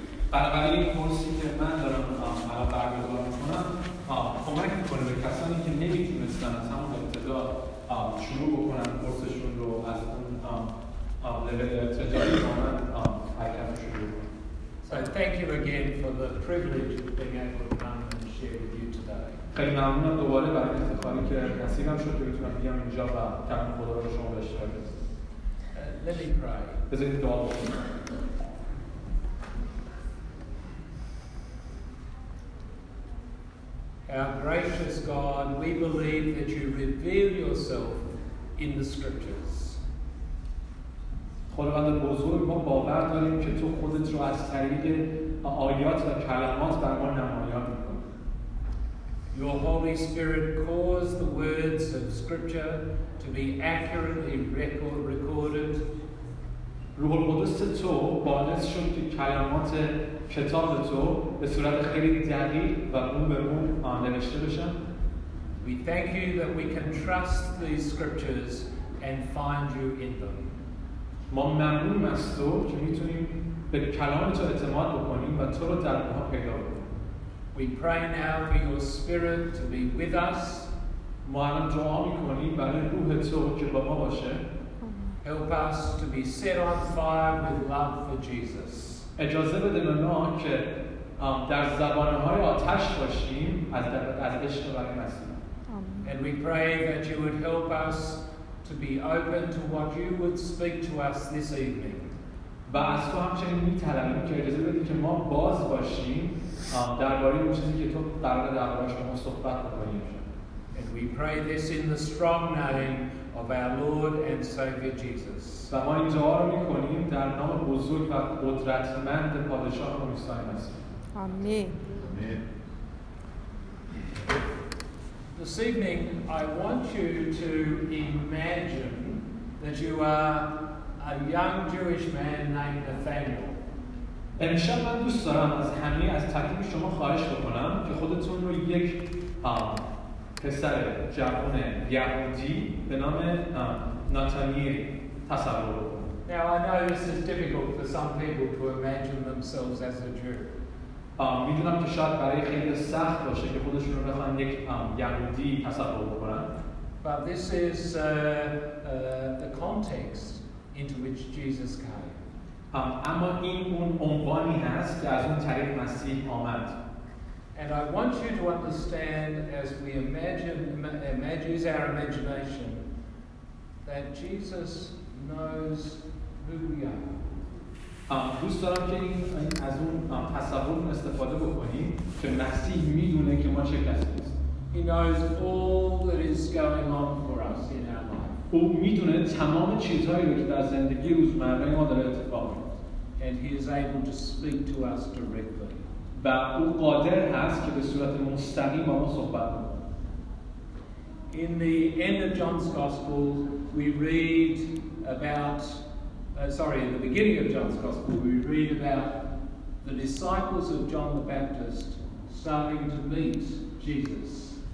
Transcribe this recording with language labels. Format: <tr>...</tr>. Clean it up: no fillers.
<fa>بنابراین کورسی که من دارم الان برگزار میکنم کمک میکنه به کسانی که نمیتونستن از همون ابتدا شروع بکنن کورسشون رو از اون لول ابتدایی کنن حرکت رو شروع بکنن.</fa> <en>So thank you again for the privilege of being able to come and share with you today.</en> <fa>خیلی ممنونم دوباره برای افتخاری که نصیبم شد که بتونم بیام اینجا و تمام خدا رو شما به اشتراک بذارم.</fa> <en>Let me pray.</en> <fa>بذارید دعا بکنم.</fa> <en>Our gracious God, we believe that you reveal yourself in the scriptures.</en> <fa>خداوند بزرگ، ما باور داریم که تو خودت رو از طریق آیات و کلمات بر ما نمایان می‌کنی.</fa> <en>Your Holy Spirit caused the words of scripture to be accurately recorded.</en> <fa>روح القدس تو باعث شد که کلمات کتاب تو به صورت خیلی دقیق و اون به اون نوشته بشن.</fa> <en>We thank you that we can trust these scriptures and find you in them.</en> <fa>ما ممنونم از تو که میتونیم به کلام تو اعتماد بکنیم و تو رو در اونها پیدا کنیم.</fa> <en>We pray now for your spirit to be with us.</en> <fa>ما الان دعا میکنیم برای روح تو که با ما باشه.</fa> <en>Help us to be set on fire with love for Jesus.</en> <fa>اجازه بده به ما که در زبانهای آتش باشیم از عشق برای مسیح.</fa> <en>And we pray that you would help us to be open to what you would speak to us this evening.</en> <fa>و از تو همچنین می‌طلبیم که اجازه بده که ما باز باشیم درباره اون چیزی که تو قراره درباره‌اش با ما صحبت بکنیم.</fa> <en>And we pray this in the strong name of our Lord and Savior Jesus.</en> <fa>و ما این دعا رو می‌کنیم در نام بزرگ و قدرتمند پادشاه عیسی مسیح. آمین.</fa> <en>This evening I want you to imagine that you are a young Jewish man named Nathaniel.</en> <fa>امشب من دوست دارم از همه از تکلیف شما خواهش بکنم که خودتون رو یک پسر جوان یهودی به نام ناتانیل تصور کنید.</fa> <en>Now I know this is difficult for some people to imagine themselves as a Jew.</en> <fa>میدونم که شاید برای خیلی سخت باشه که خودشون رو بخوان یک یهودی تصور بکنن.</fa> <en>But this is the context into which Jesus came.</en> <fa>اما این اون عنوانی هست که از اون طریق مسیح آمد.</fa> <en>And I want you to understand as we imagine use our imagination that Jesus knows who we are.</en> <fa>دوست دارم که این از اون تصور استفاده بکنیم که مسیح میدونه که ما چه کسی هستیم.</fa> <en>He knows all that is going on for us in our life.</en> <fa>او میدونه تمام چیزهایی رو که در زندگی روزمره ما داره اتفاق میفته.</fa> <en>And he is able to speak to us directly.</en> <fa>و او قادر هست که به صورت مستقیم با ما صحبت کنه.</fa> <en>In the end of John's gospel we read about in the beginning of John's Gospel, we read about the disciples of John the Baptist starting to meet Jesus.</en>